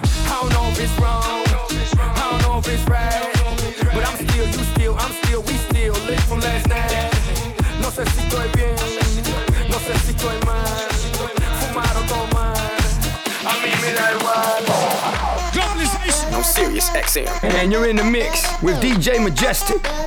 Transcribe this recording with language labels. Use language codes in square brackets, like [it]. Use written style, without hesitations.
[en] I don't know if it's wrong, I don't know if it's right, but I'm still, you still, I'm still, we still live from last night. [es] No sé si estoy bien, no sé si estoy mal, fumar o tomar, a mí me da igual. [en] Globalization on Sirius XM. And you're in the mix with DJ Majestic.